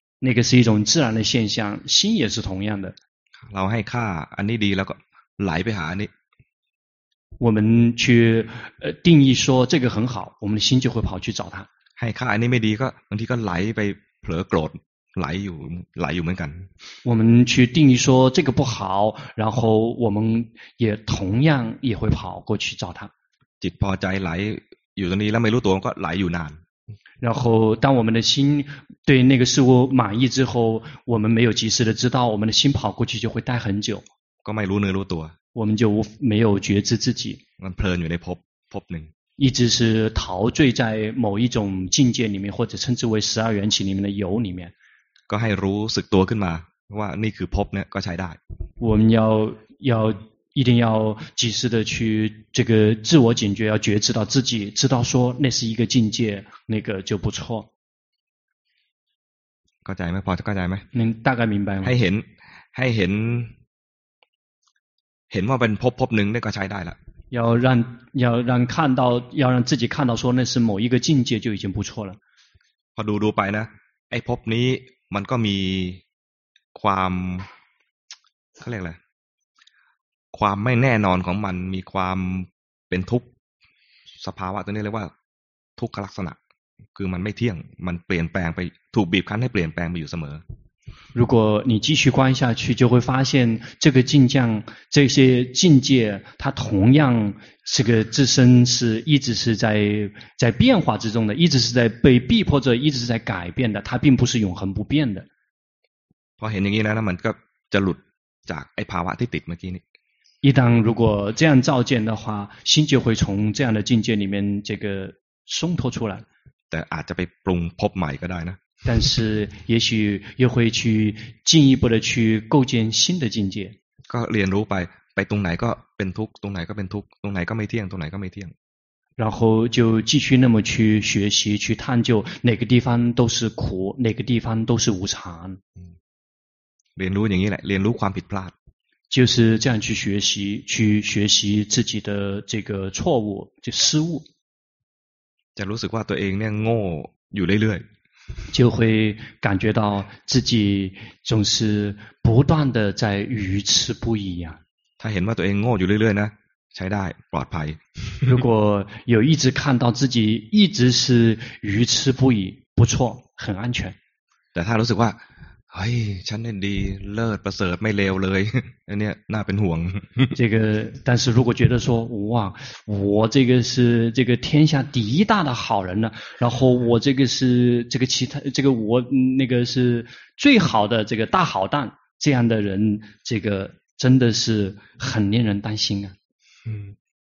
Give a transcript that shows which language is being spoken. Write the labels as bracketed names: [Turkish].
[Thai] นั่นก็คือ [Chinese] 一种自然的现象心也是同样的 [Thai] เราให้ค่าอันนี้ดีแล้วก็ไหลไปหาอันนี้ [Chinese] 我们去定义说这个很好，我们的心就会跑去找它。 [Thai] ให้เขาอันนี้ไม่ดีก็บางทีก็ไหลไปเผลอโกรธไหลอยู่ไหลอยู่เหมือนกัน [Chinese] 我们去定义说这个不好，然后我们也同样也会跑过去找它。 [Thai] จิตพอใจไหลอยู่ตรงนี้แล้วไม่รู้ตัวก็ไหลอยู่นาน [Chinese] 然后当我们的心对那个事物满意之后，我们没有及时的知道，我们的心跑过去就会待很久。 [Thai] ก็ไม่รู้เนื้อรู้ตัว [Chinese] 我们就没有觉知自己。 [Thai] มันเพลินอยู่ในภพภพหนึ่ง [Chinese] 一直是陶醉在某一种境界里面，或者称之为十二缘起里面的有里面。 [Thai] ก็ให้รู้สึกตัวขึ้นมาว่านี่คือภพเนี่ยก็ใช้ได้ [Chinese] 我们要一定要及时的去这个自我警觉，要觉知到自己，知道说那是一个境界，那个就不错。 [Thai] เข้าใจไหมพอจะเข้าใจไหม [Chinese] 您大概明白吗 [Thai] ให้เห็นให้เห็นเห็นว่าเป็นภพภพหนึ่งนี่ก็ใช้ได้ละ [Chinese] 要让看到要让自己看到说那是某一个境界就已经不错了 [Thai] พอดูไปนะไอ้ภพนี้มันก็มีความเขาเรียกอะไรความไม่แน่นอนของมันมีความเป็นทุกข์สภาวะตัวนี้เรียกว่าทุกขลักษณะคือมันไม่เที่ยงมันเปลี่ยนแปลงไปถูกบีบคั้นให้เปลี่ยนแปลงไปอยู่เสม [Chinese] อ如果你继续观下去就会发现这个境界这些境界它同样这个自身是一直是在变化之中的一直是在被逼迫着一直是在改变的它并不是永恒不变的 [Thai] พอเห็นอย่างนี้แล้วมันก็จะหลุดจากไอ้ภาวะที่ติดเมื่อกี้นี้ [Chinese] 一旦如果这样照见的话，心就会从这样的境界里面这个松脱出来。 [Thai] แต่อาจจะไปปรุงพบใหม่ก็ได้นะ。 [Chinese] 但是也许又会去进一步的去构建新的境界。 [Thai] ก็เรียนรู้ไปตรงไหนก็เป็นทุกข์ตรงไหนก็เป็นทุกข์ตรงไหนก็ไม่เที่ยงตรงไหนก็ไม่เที่ยง。 [Chinese] 然后就继续那么去学习去探究哪个地方都是苦哪个地方都是无常。 [Thai] เรียนรู้อย่างนี้แหละเรียนรู้ความผิดพลาด [Chinese] 就是这样去学习自己的这个错误就失误 [Thai] จะรู้สึกว่าตัวเองเนี่ยโง่อยู่เรื่อย [Chinese] 就会感觉到自己总是不断的在愚痴不已呀 [Thai] ถ้าเห็นว่าตัวเองโง่อยู่เรื่อยๆนะใช้ได้ปลอดภัย [Chinese] 如果有一直看到自己一直是愚痴不已不错很安全 [Thai] แต่ถ้ารู้สึกว่าไอ้ฉันเนี่ยดีเลิศประเสริฐไม่เลวเลยอันเนี้ยน่าเป็นห่วง [Chinese] 这个但是如果觉得说哇我这个是这个天下第一大的好人呢然后我这个是这个其他这个我那个是最好的这个大好蛋这样的人这个真的是很令人担心啊嗯